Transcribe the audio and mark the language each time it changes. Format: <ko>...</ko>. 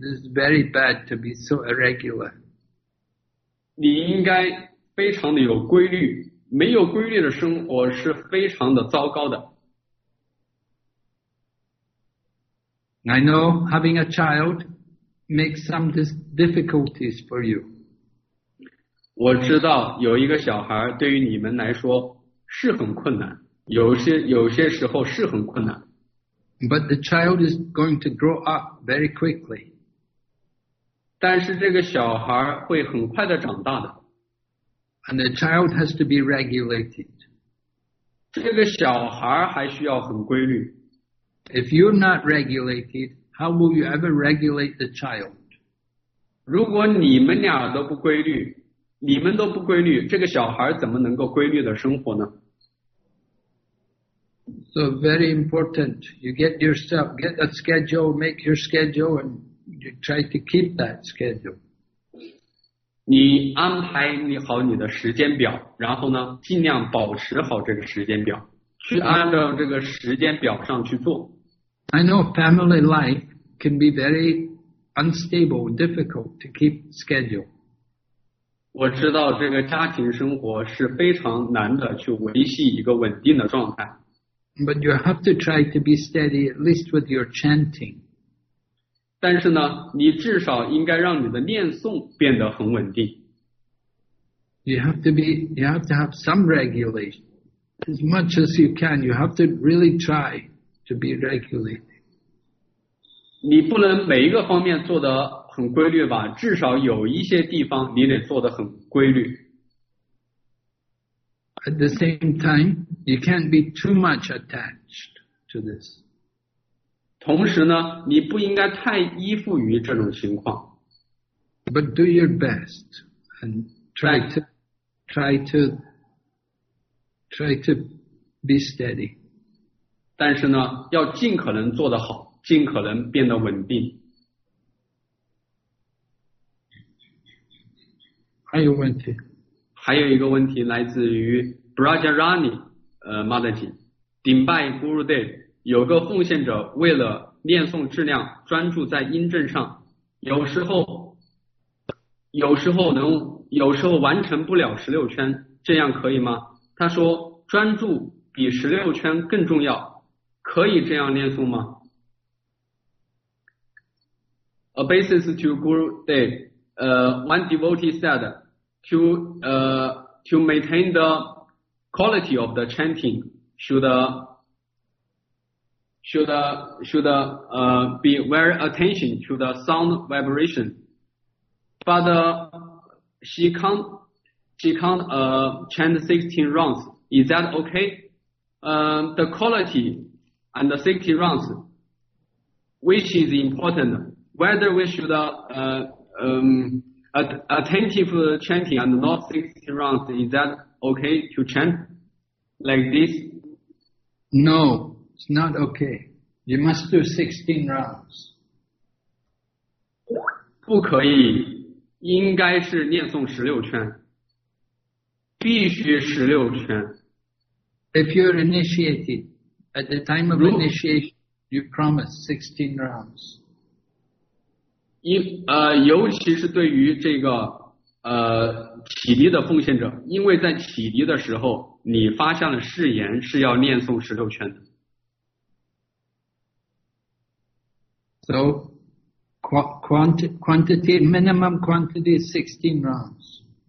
<en>This is very bad to be so irregular.</en> <zh>你应该非常的有规律，没有规律的生活是非常的糟糕的。</zh> <en>I know having a child makes some difficulties for you.</en> <zh>我知道有一个小孩对于你们来说是很困难，有些时候是很困难。</zh> <en>But the child is going to grow up very quickly.</en> <zh>但是这个小孩会很快的长大的。</zh> <en>And the child has to be regulated.</en> <zh>这个小孩还需要很规律。</zh> <en>If you're not regulated, how will you ever regulate the child?</en> <zh>如果你们俩都不规律，你们都不规律，这个小孩怎么能够规律的生活呢？</zh> <en>So very important. You get yourself, get a schedule, make your schedule, and you try to keep that schedule.</en> <zh>你安排你好你的时间表，然后呢，尽量保持好这个时间表，去按照这个时间表上去做。</zh> <en>I know family life can be very unstable, difficult to keep schedule.</en> <zh>我知道这个家庭生活是非常难的去维系一个稳定的状态。</zh> <en>But you have to try to be steady, at least with your chanting.</en> <zh>但是呢，你至少应该让你的念诵变得很稳定。</zh> <en>You have to have some regulation. As much as you can, you have to really try to be regulated.</en> <zh>你不能每一个方面做得很规律吧，至少有一些地方你得做得很规律。</zh> <en>At the same time, you can't be too much attached to this.</en> <zh>同时呢，你不应该太依附于这种情况。</zh> <en>But do your best and try to be steady.</en> <zh>但是呢，要尽可能做得好，尽可能变得稳定。还有问题？还有一个问题来自于Rajarani Madaji, Dimbai Gurudev, 有个奉献者为了念诵质量专注在音阵上，有时候完成不了16圈，这样可以吗？他说专注比16圈更重要，可以这样念诵吗？</zh> <en>A basis to Gurudev, one devotee said, to maintain the quality of the chanting should be very attention to the sound vibration. But she can't chant 16 rounds. Is that okay? The quality and the 16 rounds, which is important, whether we should attentive chanting and not 16 rounds, is that okay to chant? Like this? No, it's not okay. You must do 16 rounds.</en> <zh>不可以，应该是念诵16圈，必须16圈。</zh> <en>If you're initiated, at the time of initiation, you promise 16 rounds.</en> <zh>尤其是对于这个启迪的奉献者，因为在启迪的时候你发下了誓言是要念诵16圈的。</zh> <en>So quantity, minimum quantity is 16 rounds.</en>